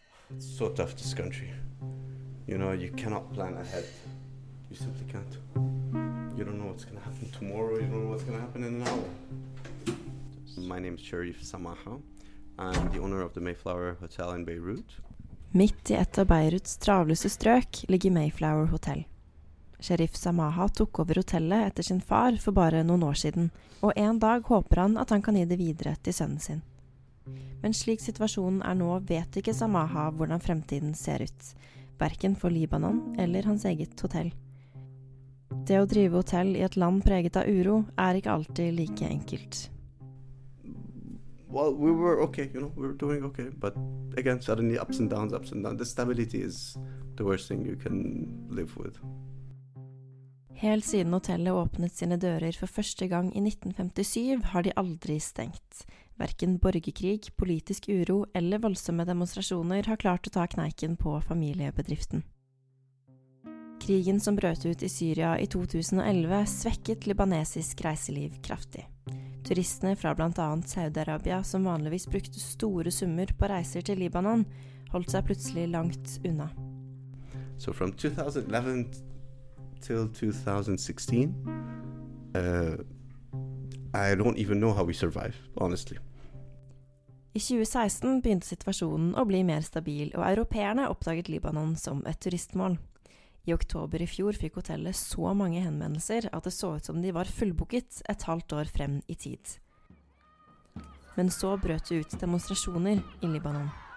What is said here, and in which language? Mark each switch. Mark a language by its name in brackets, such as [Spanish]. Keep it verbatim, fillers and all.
[English] It's so tough, this country. You know, you cannot plan ahead. You simply can't. You don't know what's going to happen tomorrow. You don't know what's going to happen in an hour. My name is Sheriff Samaha. I'm the owner of the Mayflower Hotel in Beirut. [Norwegian] Midt i et av Beiruts travleste strøk ligger Mayflower Hotel. Sheriff Samaha tok over hotellet etter sin far for bare noen år siden, og en dag håper han at han kan gi det videre til sønnen sin. Men slik situasjonen er nå, vet ikke Samaha hvordan fremtiden ser ut, hverken for Libanon eller hans eget hotell. Det å drive hotell i et land preget av uro er ikke alltid like enkelt. [English] Well, we were okay, you know, we were doing okay. But again, suddenly ups and downs, ups and downs. The stability is the worst thing you can live with. [Norwegian] Helt siden hotellet åpnet sine dører for første gang i nitten femtisju har de aldri stengt. Verken borgerkrig, politisk uro eller voldsomme demonstrasjoner har klart å ta kneiken på familiebedriften. Krigen som brøt ut i Syria i to tusen og elleve svekket libanesisk reiseliv kraftig. Turistene fra blant annet Saudi-Arabia, som vanligvis brukte store summer på reiser til Libanon, holdt seg plutselig langt unna. [English] So from twenty eleven till twenty sixteen, uh, I don't even know how we survive, honestly. [Norwegian] I tjue seksten begynte situasjonen å bli mer stabil, og europeerne oppdaget Libanon som et turistmål. I oktober i fjor fikk hotellet så mange henvendelser at det så ut som de var fullbooket et halvt år frem i tid. Men så brøt det ut demonstrasjoner i Libanon.